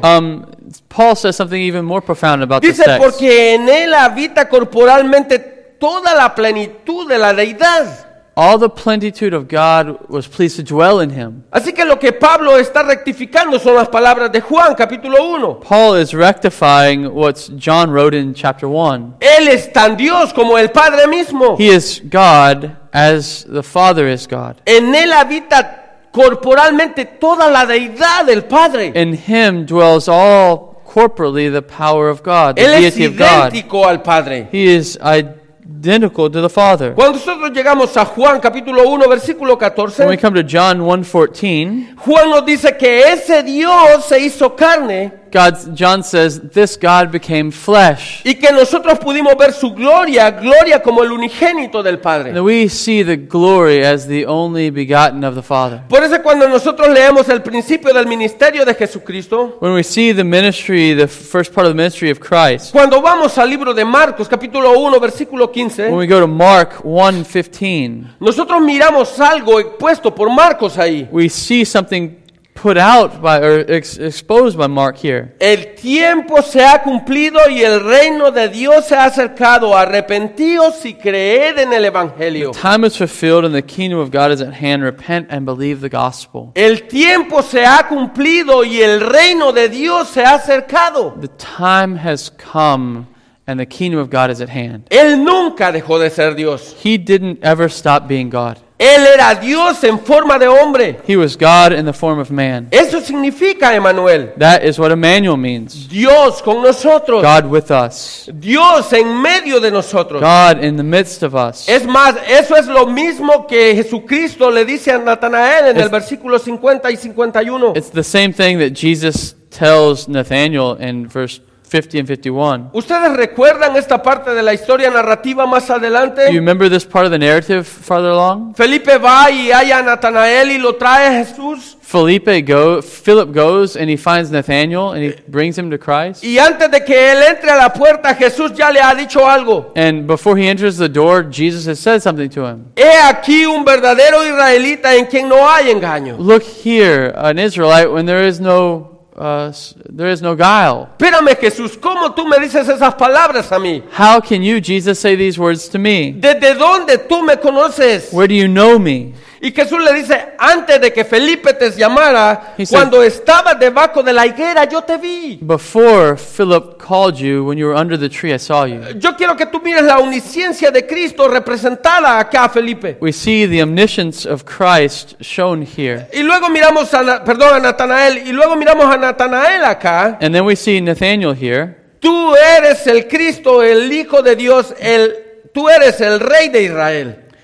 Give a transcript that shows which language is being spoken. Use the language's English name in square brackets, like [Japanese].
[English] Paul says something even more profound about this text. [Spanish] Dice, porque en él habita corporalmente toda la plenitud de la deidad. [English] All the plenitude of God was pleased to dwell in him. [Spanish] Así que lo que Pablo está rectificando son las palabras de Juan, capítulo 1. [English] Paul is rectifying what John wrote in chapter 1. [Spanish] Él es tan Dios como el Padre mismo. [English] He is God as the Father is God. [Spanish] En él habita corporalmente toda la deidad del Padre. [English] In him dwells all corporally the power of God, the deity of God. [Spanish] Él es idéntico al Padre. [English] He is identical to the Father. [Spanish] Cuando nosotros llegamos a Juan capítulo 1 versículo 14, [English] when we come to John 1:14, [Spanish] Juan nos dice que ese Dios se hizo carne. [English] John says this God became flesh. [Spanish] Y que nosotros pudimos ver su gloria, gloria como el unigénito del Padre. [English] And we see the glory as the only begotten of the Father. [Spanish] Por eso cuando nosotros leemos el principio del ministerio de Jesucristo, [English] when we see the ministry, the first part of the ministry of Christ, [Spanish] cuando vamos al libro de Marcos capítulo 1 versículo 15, [English] when we go to Mark 1:15, [Spanish] nosotros miramos algo expuesto por Marcos ahí. [English] We see something put out by or exposed by Mark here. [Spanish] El tiempo se ha cumplido y el reino de Dios se ha acercado. Arrepentíos y creed en el evangelio. [English] The time is fulfilled and the kingdom of God is at hand. Repent and believe the gospel. [Spanish] El tiempo se ha cumplido y el reino de Dios se ha acercado. [English] The time has come and the kingdom of God is at hand. [Spanish] Él nunca dejó de ser Dios. [English] He didn't ever stop being God. [Spanish] Él era Dios en forma de hombre. [English] He was God in the form of man. [Spanish] Eso significa Emmanuel. [English] That is what Emmanuel means. [Spanish] Dios con nosotros. [English] God with us. [Spanish] Dios en medio de nosotros. [English] God in the midst of us. [Spanish] Es más, eso es lo mismo que Jesucristo le dice a Natanael en el versículo 50 y 51. [English] It's the same thing that Jesus tells Nathanael in verse 50 and 51. [Spanish] ¿Ustedes recuerdan esta parte de la historia narrativa más adelante? [English] You remember this part of the narrative farther along? [Spanish] Felipe va y halla a Natanael y lo trae a Jesús. [English] Philip goes and he finds Nathanael and he brings him to Christ. [Spanish] Y antes de que él entre a la puerta, Jesús ya le ha dicho algo. [English] And before he enters the door, Jesus has said something to him. [Spanish] He aquí un verdadero israelita en quien no hay engaño. [English] Look here, an Israelite when there is no there is no guile. [Spanish] Espérame, Jesús, ¿cómo tú me dices esas palabras a mí? [English] How can you, Jesus, say these words to me? [Spanish] ¿De dónde tú me conoces? [English] Where do you know me? [Spanish] Y Jesús le dice, antes de que Felipe te llamara, cuando estaba debajo de la higuera, yo te vi. [English] Before Philip called you, when you were under the tree, I saw you. [Spanish] Yo quiero que tú mires la omnisciencia de Cristo representada acá, Felipe. [English] We see the omniscience of Christ shown here. [Spanish] Y luego miramos a, Natanael, y luego miramos a Natanael acá. [English] And then we see Nathanael here. [Spanish] Tú eres el Cristo, el Hijo de Dios, el tú eres el Rey de Israel.